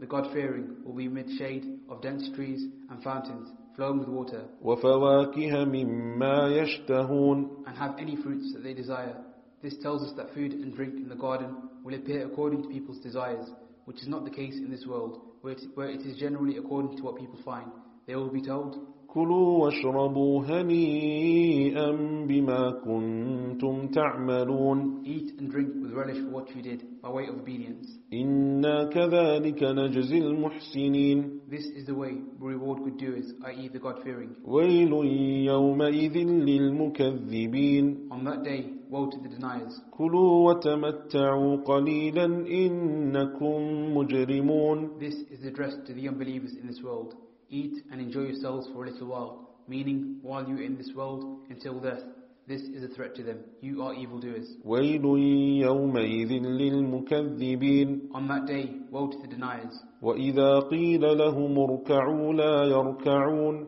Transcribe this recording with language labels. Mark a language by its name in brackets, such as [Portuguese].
[English] The God-fearing will be mid shade of dense trees and fountains, flowing with water. [Arabic] وفواكه مما يشتهون. [English] And have any fruits that they desire. This tells us that food and drink in the garden will appear according to people's desires, which is not the case in this world, where it is generally according to what people find. They will be told, [Arabic] كلوا واشربوا هنيئا بما كنتم تعملون. [English] Eat and drink with relish for what you did by way of obedience. [Arabic] إنا كذلك نجزي المحسنين. [English] This is the way we reward good doers, i.e. the God-fearing. [Arabic] ويل يومئذ للمكذبين. [English] On that day, woe to the deniers. [Arabic] كلوا وتمتعوا قليلا إنكم مجرمون. [English] This is addressed to the unbelievers in this world. Eat and enjoy yourselves for a little while, meaning while you're in this world until death. This is a threat to them. You are evildoers. [Arabic] وَيْلٌ يَوْمَئِذٍ لِلْمُكَذِّبِينَ. [English] On that day, woe to the deniers. [Arabic] وَإِذَا قِيلَ لَهُمُ ارْكَعُوا لَا يَرْكَعُونَ.